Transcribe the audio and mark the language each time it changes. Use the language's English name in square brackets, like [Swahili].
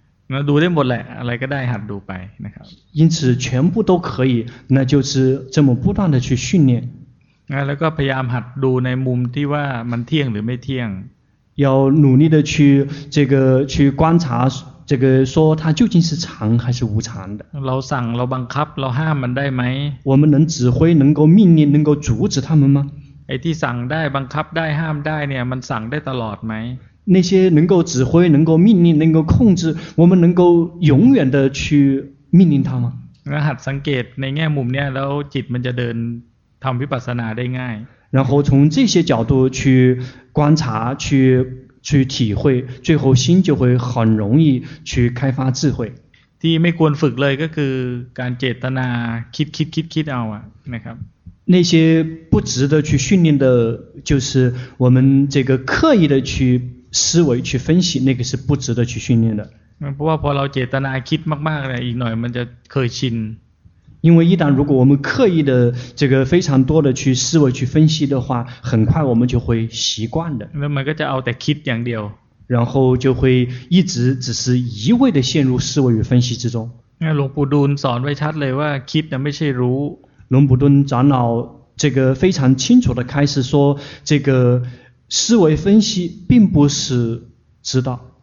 [Thai] นะดูได้หมดแหละอะไรก็ได้หัดดูไปนะครับ。 [Chinese] 因此全部都可以，那就是这么不断的去训练。 [Thai] แล้วก็พยายามหัดดูในมุมที่ว่ามันเที่ยงหรือไม่เที่ยง。 [Chinese] 要努力的去这个去观察这个说它究竟是常还是无常的。 [Thai] เราสั่งเราบังคับเราห้ามมันได้ไหม？ [Chinese] 我们能指挥能够命令能够阻止他们吗？ [Thai] ไอ้ที่สั่งได้บังคับได้ห้ามได้เนี่ยมันสั่งได้ตลอดไหม？ [Chinese] 那些能够指挥能够命令能够控制我们能够永远的去命令它吗？ [Thai] งั้นหัดสังเกตในแง่มุมเนี่ยแล้วจิตมันจะเดินทำวิปัสสนาได้ง่าย。 [Chinese] 然后从这些角度去观察去体会，最后心就会很容易去开发智慧。 [Thai] ที่ไม่ควรฝึกเลยก็คือการเจตนาคิดเอาอะนะครับ。 [Chinese] 那些不值得去训练的，就是我们这个刻意的去思维、去分析，那个是不值得去训练的。 [Thai] เพราะว่าพอเราเจตนาคิดมากๆเลยอีกหน่อยมันจะเคยชิน。 [Chinese] 因为一旦如果我们刻意的这个非常多的去思维、去分析的话，很快我们就会习惯的。那么个叫 [Thai] เอาแต่คิดอย่างเดียว， [Chinese] 然后就会一直只是一味的陷入思维与分析之中。 [Thai] 那หลวงปู่ดูลย์สอนไว้ชัดเลยว่าคิดเนี่ยไม่ใช่รู้。 [Chinese] 龙普顿长老这个非常清楚的开始说，这个思维分析并不是知道。